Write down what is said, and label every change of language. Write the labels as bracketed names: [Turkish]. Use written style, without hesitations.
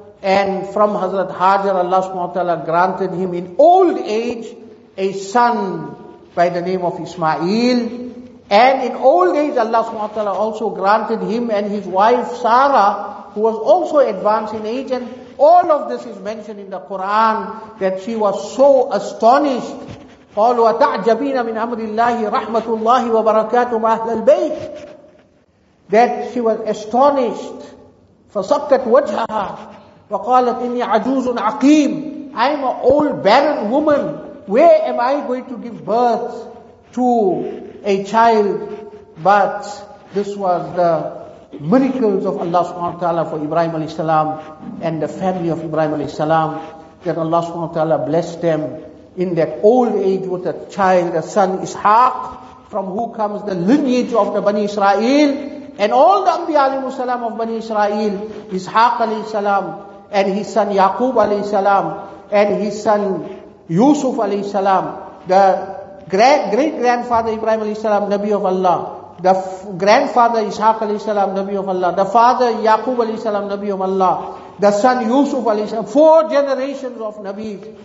[English] And from Hazrat Hajar, Allah subhanahu wa ta'ala granted him in old age a son by the name of Ismail. And in old age, Allah subhanahu wa ta'ala also granted him and his wife Sarah, who was also advanced in age. And all of this is mentioned in the Quran, that she was so astonished. [Arabic] قَالُوا أَتَعْجَبِينَ مِنْ أَمْرِ اللَّهِ رَحْمَةُ اللَّهِ وَبَرَكَاتُمْ أَهْلَ الْبَيْتِ, [English] that she was astonished. [Arabic] فَصَكَّتْ وَجْهَهَا وَقَالَتْ إِنِّي عَجُوزٌ عَقِيمٌ, [English] I'm an old barren woman. Where am I going to give birth to a child? But this was the miracles of Allah subhanahu wa ta'ala for Ibrahim alayhi salam and the family of Ibrahim alayhi salam, that Allah subhanahu wa ta'ala blessed them in that old age with a child, a son, Ishaq, from who comes the lineage of the Bani Israel and all the Anbiya alayhi salam of Bani Israel, Ishaq alayhi salam, and his son Yaqub alayhi salam, and his son Yusuf alayhi salam, the great-grandfather Ibrahim alayhi salam, Nabi of Allah, the grandfather Ishaq alayhi salam, Nabi of Allah, the father Yaqub alayhi salam, Nabi of Allah, the son Yusuf alayhi salam, four generations of Nabi.